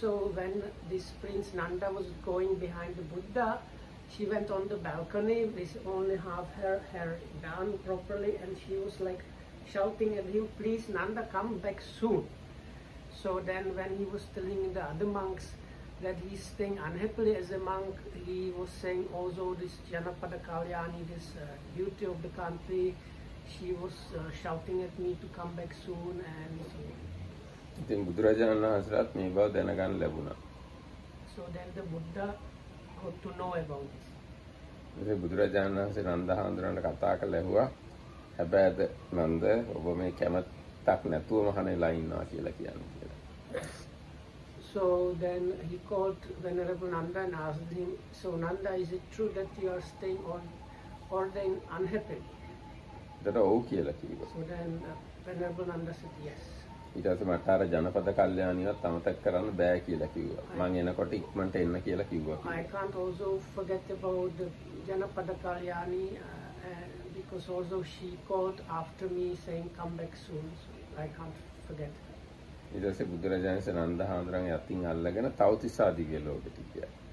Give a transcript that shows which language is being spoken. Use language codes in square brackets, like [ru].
[en] So when this Prince Nanda was going behind the Buddha, she went on the balcony with only half her hair done properly, and she was like shouting at him, "Please Nanda, come back soon." So then when he was telling the other monks that he's staying unhappily as a monk, he was saying also this Janapada Kalyani, this beauty of the country, she was shouting at me to come back soon and so on. [si] ඉතින් බුදුරජාණන් වහන්සේට මේ බව දැනගන්න ලැබුණා. [en] So then the Buddha got to know about this. [si] බුදුරජාණන් වහන්සේ නන්දා හඳුනනට කතා කරලා ඇහුවා, "හැබැයිද නන්ද, ඔබ මේ කැමැත්තක් නැතුව මහණෙලා ඉන්නවා කියලා කියන්නේ කියලා." [en] So then he called Venerable Nanda and asked him, "So Nanda, is it true that you are staying all day unhappy?" [si] දර ඔව් කියලා කිව්වා. [en] So then Venerable Nanda said yes. [si] ඊට පස්සේ මට අර ජනපද කල්යාණියවත් අමතක කරන්න බෑ කියලා කිව්වා. මං එනකොට ඉක්මනට එන්න කියලා කිව්වා. [en] I can't also forget about the Janapada Kalyani because also she called after me saying come back soon. So I can't forget. [si] ඊට පස්සේ බුදුරජාණන්සේ නන්දහාමුදුරන් යටින් අල්ලගෙන තවතිසා දිව්‍ය ලෝකෙට ගියා.